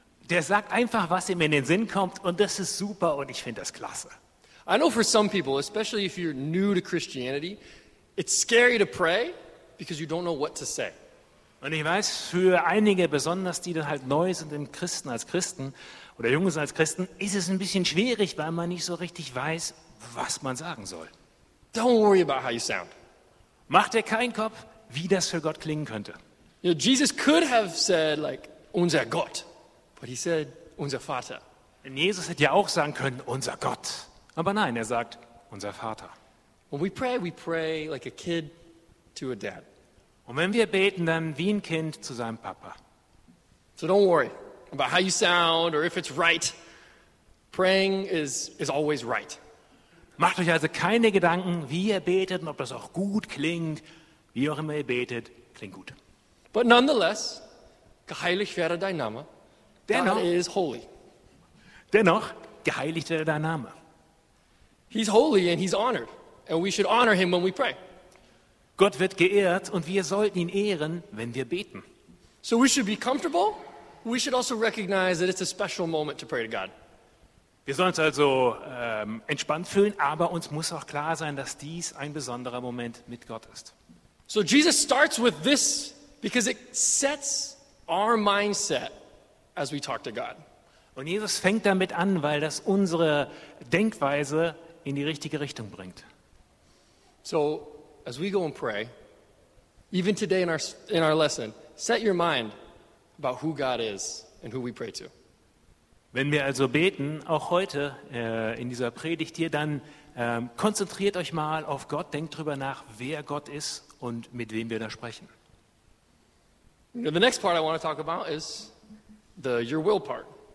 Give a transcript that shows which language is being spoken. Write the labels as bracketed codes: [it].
[de] Der sagt einfach, was ihm in den Sinn kommt und das ist super und ich finde das klasse. [en] I know for some people, especially if you're new to Christianity, it's scary to pray because you don't know what to say. [de] Und ich weiß, für einige, besonders die dann halt neu sind im Christen als Christen oder jung sind als Christen, ist es ein bisschen schwierig, weil man nicht so richtig weiß, was man sagen soll. [en] Don't worry about how you sound. [de] Mach dir keinen Kopf, wie das für Gott klingen könnte. [en] You know, Jesus could have said like [de] unser Gott. [en] But he said, [de] unser Vater. Und Jesus hätte ja auch sagen können, unser Gott. Aber nein, er sagt, unser Vater. [en] When we pray like a kid to a dad. [de] Und wenn wir beten, dann wie ein Kind zu seinem Papa. [en] So don't worry about how you sound or if it's right. Praying is always right. [de] Macht euch also keine Gedanken, wie ihr betet und ob das auch gut klingt. Wie auch immer ihr betet, klingt gut. [en] But nonetheless, [de] geheiligt werde dein Name. Dennoch, [en] God is holy. [de] Dennoch, geheiligt werde dein Name. [en] He's holy and he's honored. And we should honor him when we pray. [de] Gott wird geehrt und wir sollten ihn ehren, wenn wir beten. [en] So we should be comfortable. We should also recognize that it's a special moment to pray to God. [de] Wir sollen uns also entspannt fühlen, aber uns muss auch klar sein, dass dies ein besonderer Moment mit Gott ist. [en] So Jesus starts with this because it sets our mindset as we talk to God. [de] Und Jesus fängt damit an, weil das unsere Denkweise in die richtige Richtung bringt. [en] So as we go and pray, even today in our lesson, set your mind about who God is and who we pray to. [de] Wenn wir also beten, auch heute in dieser Predigt hier, dann konzentriert euch mal auf Gott, denkt drüber nach, wer Gott ist und mit wem wir da sprechen. [en] Now the next part I want to talk about is your will part.